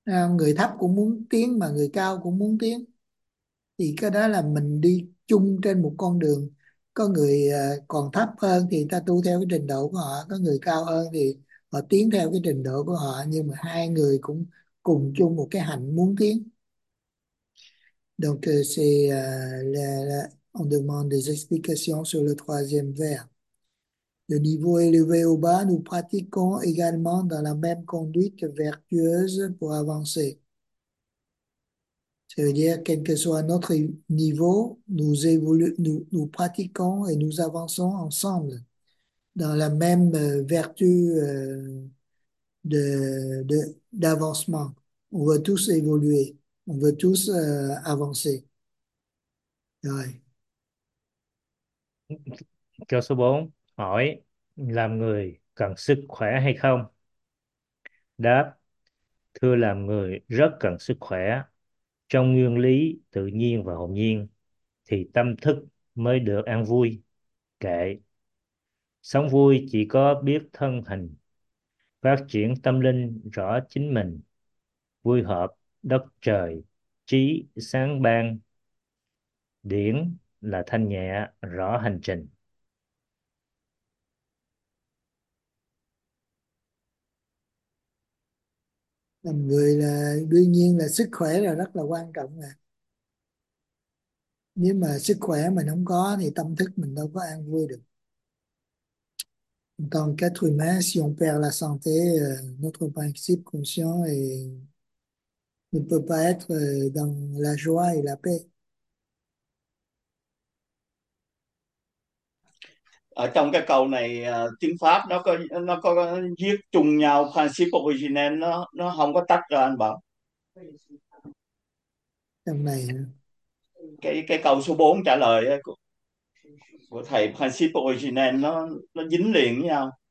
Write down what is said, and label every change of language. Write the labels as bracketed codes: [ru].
[vi] Người thấp cũng muốn tiến mà người cao cũng muốn tiến, thì cái đó là mình đi chung trên một con đường. Có người còn thấp hơn thì ta tu theo cái trình độ của họ, có người cao hơn thì họ tiến theo cái trình độ của họ, nhưng mà hai người cũng cùng chung một cái hạnh muốn tiến. [fr] Donc c'est on demande des explications sur le troisième vers. Le niveau élevé ou bas, nous pratiquons également dans la même conduite vertueuse pour avancer. Ça veut dire, quel que soit notre niveau, nous pratiquons et nous avançons ensemble dans la même vertu d'avancement. On veut tous évoluer, on veut tous avancer. Ouais. [vi] Câu số 4 hỏi, làm người cần sức khỏe hay không? Đáp, Thưa làm người rất cần sức khỏe. Trong nguyên lý tự nhiên và hồn nhiên thì tâm thức mới được an vui. Kệ. Sống vui chỉ có biết thân hình, phát triển tâm linh rõ chính mình, vui hợp đất trời, trí sáng ban. Điển là thanh nhẹ rõ hành trình. Làm người là đương nhiên là sức khỏe là rất là quan trọng à. Nếu mà sức khỏe mình không có thì tâm thức mình đâu có an vui được. [fr] Donc, qu'être humain, si on perd la santé, notre principe conscient, ne peut pas être dans la joie et la paix. [vi] Ở trong cái câu này tiếng Pháp nó có viết chung nhau principle originem, nó không có tách ra anh bảo. Trong này Cái câu số 4 trả lời của thầy, principle originem nó dính liền với nhau.